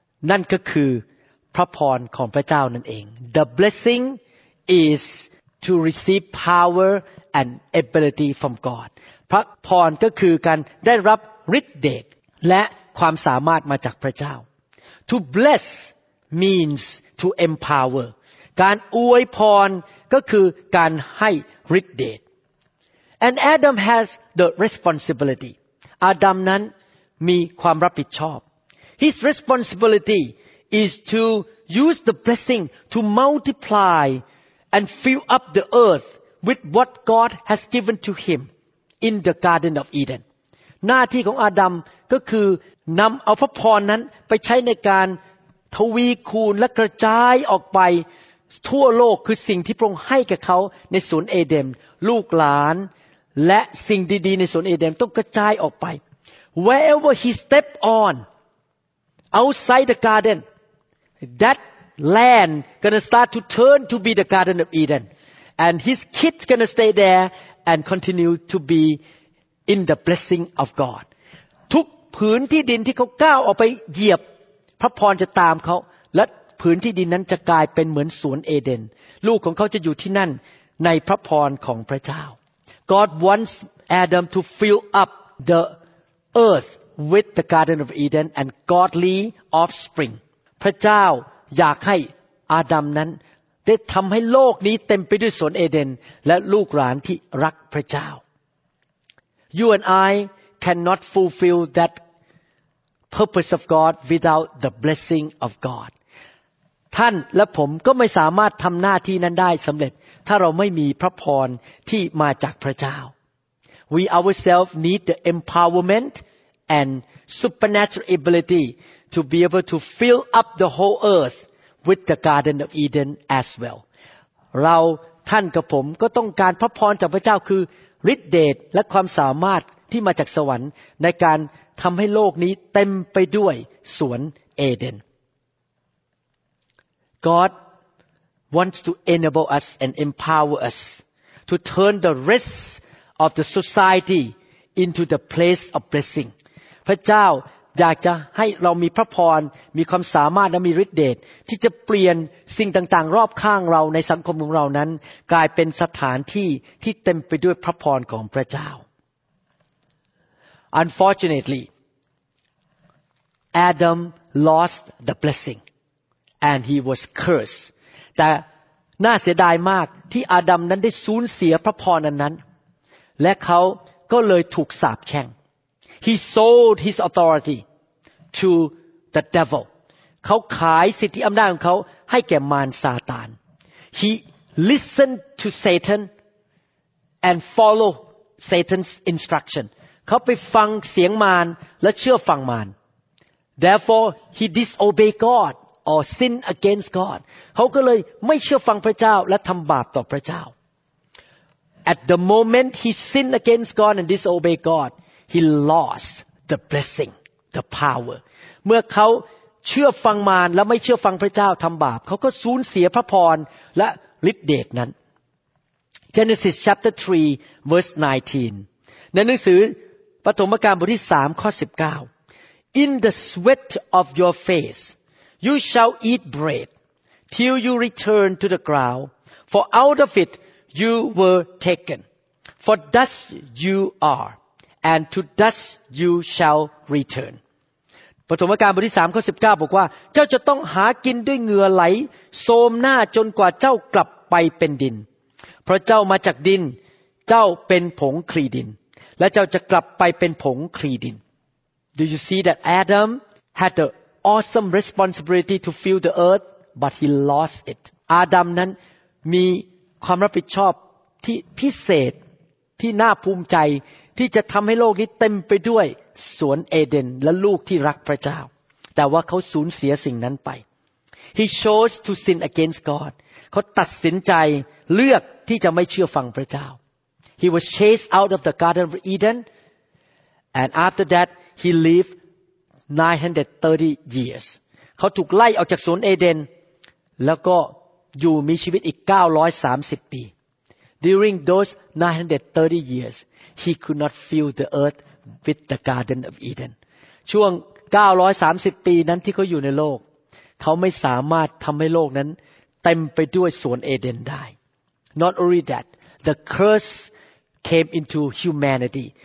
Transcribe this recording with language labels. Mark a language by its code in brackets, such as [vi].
[th] นั่นก็คือพระพรของพระเจ้านั่นเอง [en] The blessing is to receive power and ability from God [th] พระพรก็คือการได้รับฤทธิ์เดชและความสามารถมาจากพระเจ้า [en] To bless means to empower [th] การอวยพรก็คือการให้ฤทธิ์เดช [en] And Adam has the responsibility [th] อาดัมนั้น มีความรับผิดชอบ [en] His responsibility is to use the blessing to multiply and fill up the earth with what God has given to him in the Garden of Eden [th] หน้าที่ของอาดัมก็คือนำเอาพระพรนั้นไปใช้ในการทวีคูณและกระจายออกไปทั่วโลกคือสิ่งที่พระองค์ให้กับเขาในสวนเอเดมลูกหลานและสิ่งดีๆในสวนเอเดมต้องกระจายออกไป [en] Wherever he stepped on outside the garden that land gonna start to turn to be the Garden of Eden and his kids gonna stay there and continue to be in the blessing of God [th] ทุกผืนที่ดินที่เขาก้าวออกไปเหยียบพระพรจะตามเขาและผืนที่ดินนั้นจะกลายเป็นเหมือนสวนเอเดนลูกของเขาจะอยู่ที่นั่นในพระพรของพระเจ้า [en] God wants Adam to fill up the earth with the Garden of Eden and godly offspring [th] พระเจ้าอยากให้อาดัมนั้นได้ทำให้โลกนี้เต็มไปด้วยสวนเอเดนและลูกหลานที่รักพระเจ้า [en] You and I cannot fulfill that purpose of God without the blessing of God [th] ท่านและผมก็ไม่สามารถทำหน้าที่นั้นได้สำเร็จถ้าเราไม่มีพระพรที่มาจากพระเจ้า [en] We ourselves need the empowerment and supernatural ability to be able to fill up the whole earth with the Garden of Eden as well [th] เราท่านกับผมก็ต้องการพระพรจากพระเจ้าคือฤทธิ์เดชและความสามารถที่มาจากสวรรค์ในการทำให้โลกนี้เต็มไปด้วยสวนเอเดน [en] God wants to enable us and empower us to turn the rest of the society into the place of blessing. [th] พระเจ้าอยากจะให้เรามีพระพรมีความสามารถและมีฤทธิ์เดชที่จะเปลี่ยนสิ่งต่างๆรอบข้างเราในสังคมของเรานั้นกลายเป็นสถานที่ที่เต็มไปด้วยพระพรของพระเจ้า [en] Unfortunately, Adam lost the blessing. And he was cursed. [th] แต่น่าเสียดายมากที่อาดัมนั้นได้สูญเสียพระพรนั้นและเขาก็เลยถูกสาปแช่ง [en] He sold his authority to the devil. [th] เขาขายสิทธิอำนาจของเขาให้แก่มารซาตาน [en] He listened to Satan and followed Satan's instruction. [th] เขาไปฟังเสียงมารและเชื่อฟังมาร [en] Therefore, he disobeyed God. Or sin against God. [th] เขาก็เลยไม่เชื่อฟังพระเจ้าและทำบาปต่อพระเจ้า [en] At the moment he sinned against God and disobeyed God, he lost the blessing, the power. [th] เมื่อเขาเชื่อฟังมารและไม่เชื่อฟังพระเจ้าทำบาปเขาก็สูญเสียพระพรและฤทธิ์เดชนั้น [en] Genesis chapter 3 verse 19. [th] ในหนังสือปฐมกาลบทที่3ข้อ19 [en] In the sweat of your faceYou shall eat bread till you return to the ground, for out of it you were taken. For dust you are, and to dust you shall return. [th] ปฐมกาลบทที่3ข้อ19บอกว่าเจ้าจะต้องหากินด้วยเหงื่อไหลโสมหน้าจนกว่าเจ้ากลับไปเป็นดินเพราะเจ้ามาจากดินเจ้าเป็นผงคลีดินและเจ้าจะกลับไปเป็นผงคลีดิน [en] Do you see that Adam had aAwesome responsibility to fill the earth, but he lost it. [th] Adam นั้นมีความรับผิดชอบที่พิเศษที่น่าภูมิใจที่จะทำให้โลกนี้เต็มไปด้วยสวนเอเดนและลูกที่รักพระเจ้าแต่ว่าเขาสูญเสียสิ่งนั้นไป [en] He chose to sin against God. [th] เขาตัดสินใจเลือกที่จะไม่เชื่อฟังพระเจ้า [en] He was chased out of the Garden of Eden, and after that he lived. 930 years [th] เขาถูกไล่ออกจากสวนเอเดนแล้วก็อยู่มีชีวิตอีก930ปี [en] During those 930 years he could not fill the earth with the Garden of Eden [th] ช่วง930ปีนั้นที่เขาอยู่ในโลกเขาไม่สามารถทำให้โลกนั้นเต็มไปด้วยสวนเอเดนได้ [en] Not only that the curse came into humanity